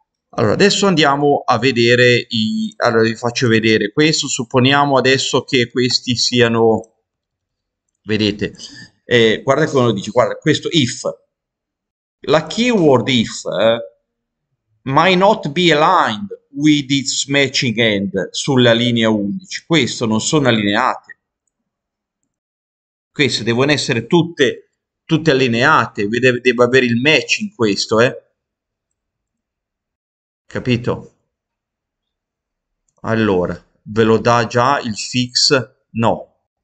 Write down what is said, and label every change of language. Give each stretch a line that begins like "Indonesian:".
Italian: Allora, adesso andiamo a vedere allora vi faccio vedere questo. Supponiamo adesso che questi siano, vedete, guarda come lo dice, guarda, questo if. La keyword if,
English: might not be aligned with its matching end
Italian: sulla linea 11. Questo non sono allineate. Queste devono essere tutte allineate, deve avere il match in questo, eh? Capito? Allora, ve lo dà già il fix? No.